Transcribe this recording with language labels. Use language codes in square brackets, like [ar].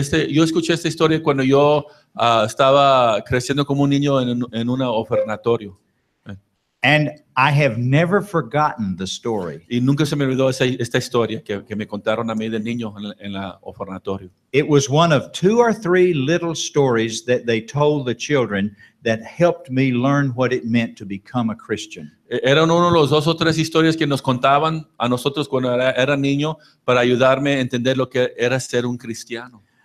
[es] Yo escuché esta historia cuando yo estaba creciendo como un niño en un orfanatorio. [en] And I have never forgotten the story. [es] Y nunca se me olvidó esta historia que me contaron a mí de niño en la orfanatorio. [en] It was one of two or three little stories that they told the children that helped me learn what it meant to become a Christian. [es] Eran uno de los dos o tres historias que nos contaban a nosotros cuando era niño para ayudarme a entender lo que era ser un cristiano.